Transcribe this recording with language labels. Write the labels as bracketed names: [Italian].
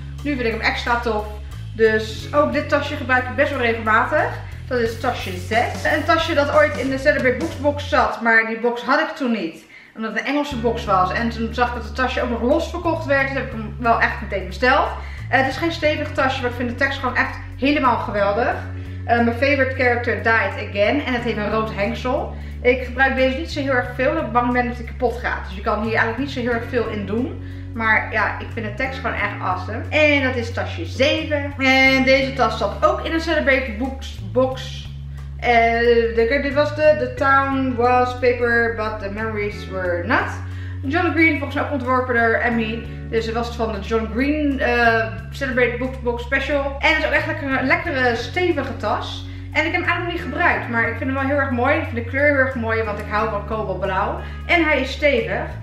[Dutch] Nu vind ik hem extra tof. Dus ook dit tasje gebruik ik best wel regelmatig. Dat is tasje 6. Een tasje dat ooit in de Celebrate Books box zat, maar die box had ik toen niet. Omdat het een Engelse box was. En toen zag ik dat het tasje ook nog los verkocht werd. Dus heb ik hem wel echt meteen besteld. Het is geen stevig tasje, maar ik vind de tekst gewoon echt helemaal geweldig. Mijn [English] favorite character died again. [Dutch] En het heeft een rood hengsel. Ik gebruik deze niet zo heel erg veel, omdat ik bang ben dat hij kapot gaat. Dus je kan hier eigenlijk niet zo heel erg veel in doen. Maar ja, ik vind de tekst gewoon echt awesome. En dat is tasje 7. En deze tas zat ook in een Celebrate Books box. Dit was de [English] town was paper, but the memories were not. [Dutch] John Green, volgens mij ook ontworpen door Emmy. Dus het was van de John Green Celebrate Books box special. En het is ook echt een lekkere, stevige tas. En ik heb hem eigenlijk nog niet gebruikt, maar ik vind hem wel heel erg mooi. Ik vind de kleur heel erg mooi, want ik hou van kobaltblauw. En hij is stevig.